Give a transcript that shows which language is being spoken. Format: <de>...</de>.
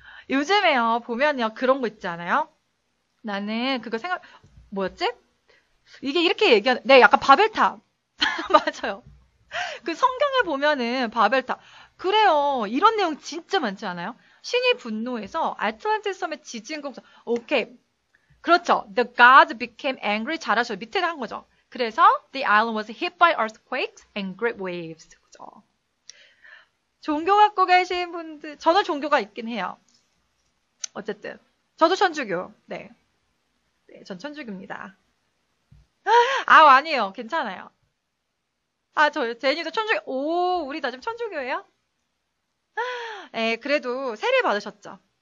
<ko>요즘에요, 보면요, 그런 거 있잖아요? 나는 그거 생각, 뭐였지? 이게 이렇게 얘기하는, 네, 약간 바벨탑. 맞아요. 그 성경에 보면은 바벨탑. 그래요. 이런 내용 진짜 많지 않아요? 신이 분노해서 아틀란티스 섬에 지진 공사. 오케이. 그렇죠.</ko> <en>The gods became angry.</en> <ko>잘하셔. 밑에 한 거죠.</ko> <en>그래서 the island was hit by earthquakes and great waves.</en> <ko>그죠? 종교 갖고 계신 분들, 저는 종교가 있긴 해요. 어쨌든 저도 천주교. 네. 네, 전 천주교입니다. 아, 아니에요. 괜찮아요. 아, 저 제니도 천주교. 오, 우리 다 지금 천주교예요? 예, 그래도 세례 받으셨죠?</ko>